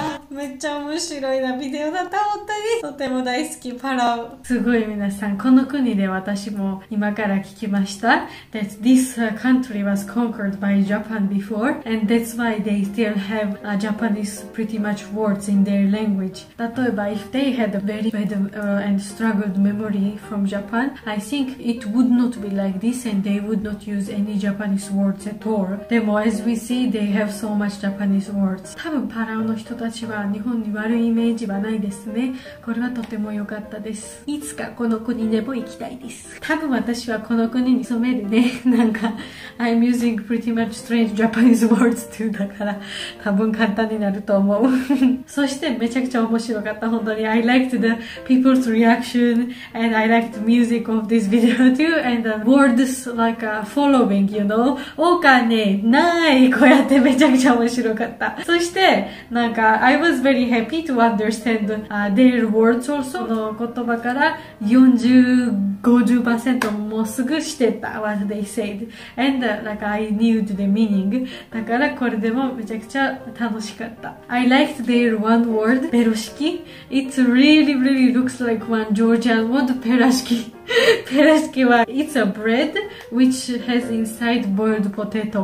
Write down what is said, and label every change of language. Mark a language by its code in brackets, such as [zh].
[ja] めっちゃ面白いなビデオだった本当に。とても大好きパラオ。すごい皆さん、この国で私も今から聞きました。 [en] That this country was conquered by Japan before, and that's why they still have Japanese pretty much words in their language. [ja] 例えば、 [en] if they had a very bad and struggled memory from Japan, I think it would not be like this, and they would not use any Japanese words at all. [ja] でも、 [en] as we see, they have so much Japanese words. [ja] 多分パラオの人たちは日本に悪いイメージはないですね。これはとても良かったです。いつかこの国でも行きたいです。多分私はこの国に染めるね。なんか [en] I'm using pretty much strange Japanese words too [ja] だから多分簡単になると思う。そしてめちゃくちゃ面白かった。本当に [en] I liked the people's reaction and I liked the music of this video too and the words like following you know [ja] お金ないこうやってめちゃくちゃ面白かった。そしてなんか [en] I was very happy to understand their words also. [ja] の言葉から 40-50% もすぐしてた [en] what they said. And like I knew the meaning. [ja] だからこれでもめちゃくちゃ楽しかった。 [en] I liked their one word, ベロ式. It really really looks like one Georgian word, ペラ式. ペラ式は It's a bread which has inside boiled potato.